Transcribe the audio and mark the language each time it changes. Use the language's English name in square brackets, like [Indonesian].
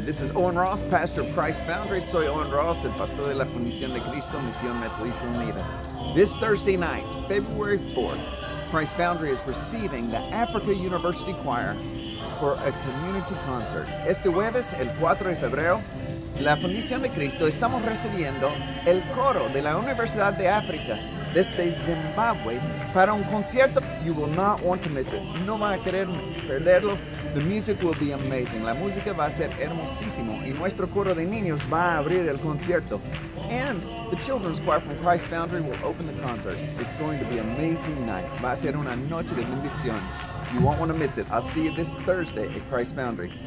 [English] This is Owen Ross, pastor of Christ Foundry. [Spanish] Soy Owen Ross, el pastor de la Comisión de Cristo, Misión Metodista Unida. [English] This Thursday night, February 4th, Christ Foundry is receiving the Africa University Choir for a community concert. [Spanish] Este jueves, el 4 de febrero, la Fundación de Cristo estamos recibiendo el coro de la Universidad de África desde Zimbabue para un concierto. [English] You will not want to miss it. [Spanish] No va a querer perderlo. [English] The music will be amazing. [Spanish] La música va a ser hermosísimo. Y nuestro coro de niños va a abrir el concierto. [English] And the children's choir from Christ Foundry will open the concert. It's going to be an amazing night. [Spanish] Va a ser una noche de bendición. [English] You won't want to miss it. I'll see you this Thursday at Christ Foundry.